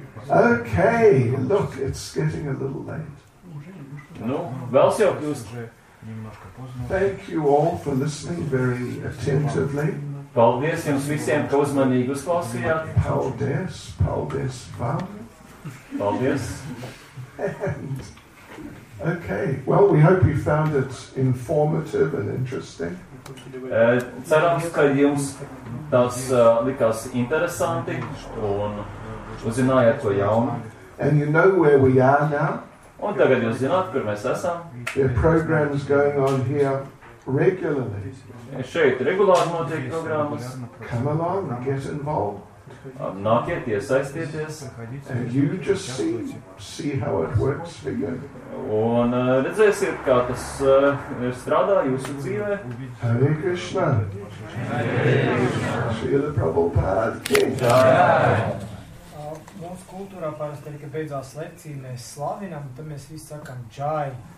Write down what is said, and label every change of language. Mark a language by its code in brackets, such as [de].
[en] Okay, look, it's getting a little late. [lv] Nu, vēls jau kļūst. [en] Thank you all for listening very attentively. [lv] Paldies jums visiem, ka uzmanīgi uzklausījāt. Paldies, vēl. Paldies. [en] Okay, well, we hope you found it informative and interesting. [lv] Cerams, ka jums tas likās interesanti un uzzinājāt to jaunu. [en] And you know where we are now. [lv] Un tagad jūs zināt, kur mēs esam. [en] The program is going on here regularly. [lv] Šeit regulāri notiek programmas. [en] Come along and get involved. [lv] Nākiet, iesaistieties. [en] And you just see how it works for you. [lv] Un redzēsiet, kā tas strādā jūsu dzīvē. [sa] Hare Krishna. Hare Krishna. Srila Prabhupāda. Jaya. [lv] Mums kultūrā parasti arī, ka beidzās lekcija, mēs slavinām, un tad mēs visi sakam Jai.